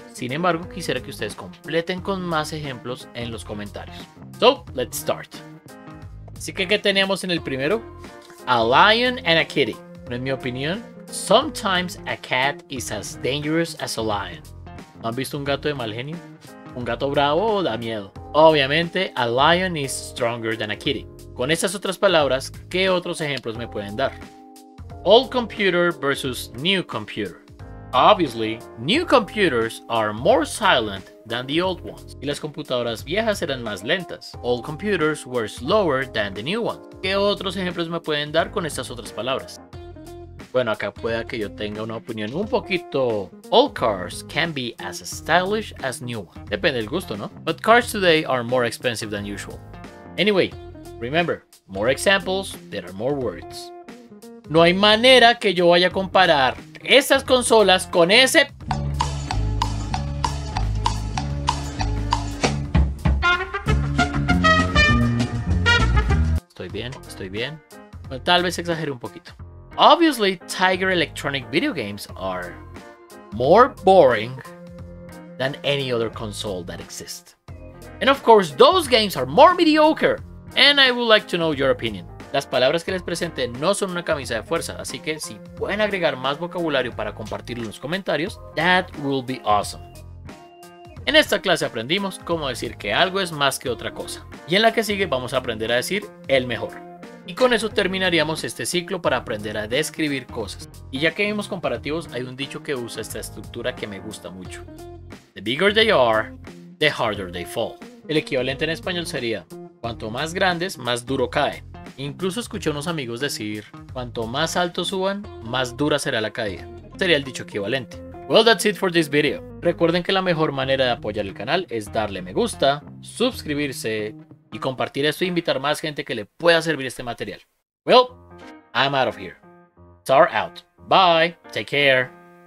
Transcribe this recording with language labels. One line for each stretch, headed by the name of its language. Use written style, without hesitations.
Spanish: Sin embargo, quisiera que ustedes completen con más ejemplos en los comentarios.
English: So, let's start.
Spanish: Así que, ¿qué teníamos en el primero?
English: A lion and a kitty.
Spanish: Pero en mi opinión,
English: sometimes a cat is as dangerous as a lion.
Spanish: ¿No han visto un gato de mal genio? Un gato bravo da miedo.
English: Obviamente, a lion is stronger than a kitty.
Spanish: Con estas otras palabras, ¿qué otros ejemplos me pueden dar?
English: Old computer versus new computer. Obviously, new computers are more silent than the old ones.
Spanish: Y las computadoras viejas eran más lentas.
English: Old computers were slower than the new ones.
Spanish: ¿Qué otros ejemplos me pueden dar con estas otras palabras? Bueno, acá pueda que yo tenga una opinión un poquito.
English: Old cars can be as stylish as new ones.
Spanish: Depende del gusto, ¿no?
English: But cars today are more expensive than usual. Anyway, remember, more examples, there are more words.
Spanish: No hay manera que yo vaya a comparar esas consolas con ese. Estoy bien, estoy bien. Bueno, tal vez exagere un poquito.
English: obviously, Tiger Electronic video games are more boring than any other console that exists. And of course, those games are more mediocre. And I would like to know your opinion.
Spanish: Las palabras que les presenté no son una camisa de fuerza, así que si pueden agregar más vocabulario para compartirlo en los comentarios,
English: that will be awesome.
Spanish: En esta clase aprendimos cómo decir que algo es más que otra cosa. Y en la que sigue vamos a aprender a decir el mejor. Y con eso terminaríamos este ciclo para aprender a describir cosas. Y ya que vimos comparativos, hay un dicho que usa esta estructura que me gusta mucho.
English: The bigger they are, the harder they fall.
Spanish: El equivalente en español sería, cuanto más grandes, más duro caen. Incluso escuché a unos amigos decir, cuanto más alto suban, más dura será la caída. Sería el dicho equivalente.
English: Well, that's it for this video.
Spanish: Recuerden que la mejor manera de apoyar el canal es darle me gusta, suscribirse y compartir esto e invitar más gente que le pueda servir este material.
English: Well, I'm out of here. Star out. Bye. Take care.